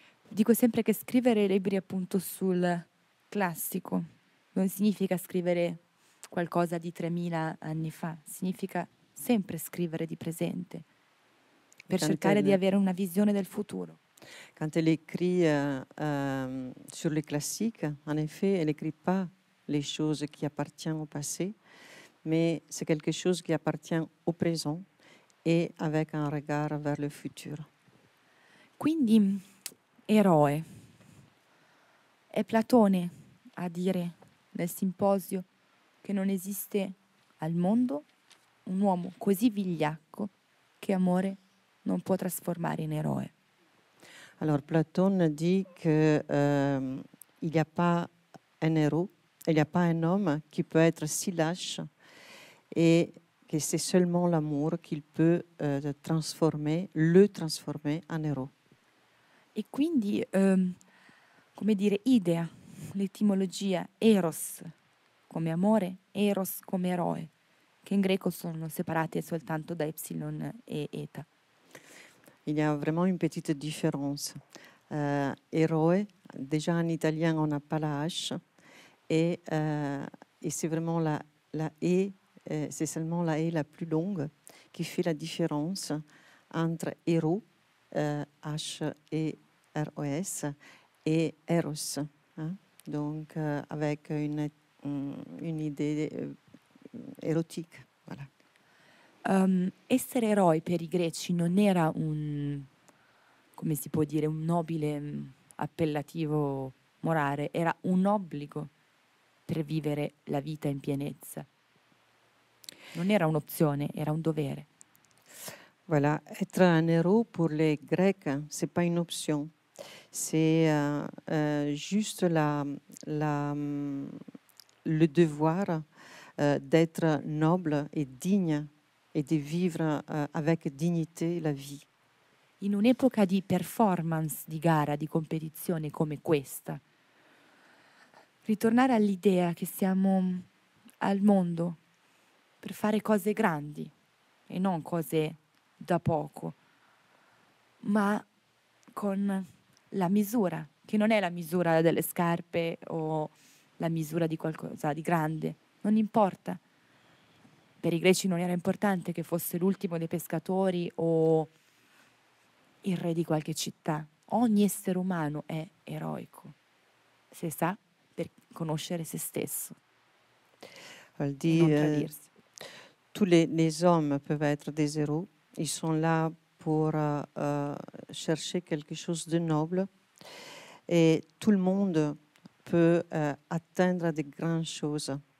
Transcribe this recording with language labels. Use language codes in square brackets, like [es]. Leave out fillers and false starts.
[it] Dico sempre che scrivere libri appunto sul classico non significa scrivere qualcosa di 3000 anni fa, significa sempre scrivere di presente per cercare di avere una visione del futuro. [fr] Quand elle écrit sur le classique, en effet, elle n'écrit pas les choses qui appartiennent au passé, mais c'est quelque chose qui appartient au présent et avec un regard vers le futur. [it] Quindi, eroe, è Platone a dire nel simposio che non esiste al mondo un uomo così vigliacco che amore non può trasformare in eroe. [fr] Alors Platone dit qu'il n'y a pas un héros, il n'y a pas un homme qui peut être si lâche et que c'est seulement l'amour qu'il peut transformer, le transformer en héros. [it] E quindi, come dire, idea, l'etimologia, eros come amore, eros come eroe, che in greco sono separate soltanto da epsilon e eta. [fr] Il y a vraiment une petite différence. Héroe, déjà en italien, on n'a pas la H, et c'est vraiment la E, c'est seulement la E la plus longue qui fait la différence entre héros, H et ROS et Eros, hein? Donc avec une idée érotique. Voilà. [it] Essere eroi per i greci non era un, come si può dire, un nobile appellativo morale, era un obbligo per vivere la vita in pienezza. Non era un'opzione, era un dovere. [fr] Voilà, être un héros pour les Grecs, c'est pas une option. C'est juste le devoir d'être noble et digne et de vivre avec dignité la vie. [it] In un'epoca di performance, di gara, di competizione come questa, ritornare all'idea che siamo al mondo per fare cose grandi e non cose da poco, ma con la misura, che non è la misura delle scarpe o la misura di qualcosa di grande, non importa. Per i greci non era importante che fosse l'ultimo dei pescatori o il re di qualche città. Ogni essere umano è eroico, se sa per conoscere se stesso. Vuol dire, [fr] tous les hommes peuvent être des héros, ils sont là pour chercher quelque chose de noble. Et tout le monde peut atteindre de grandes choses.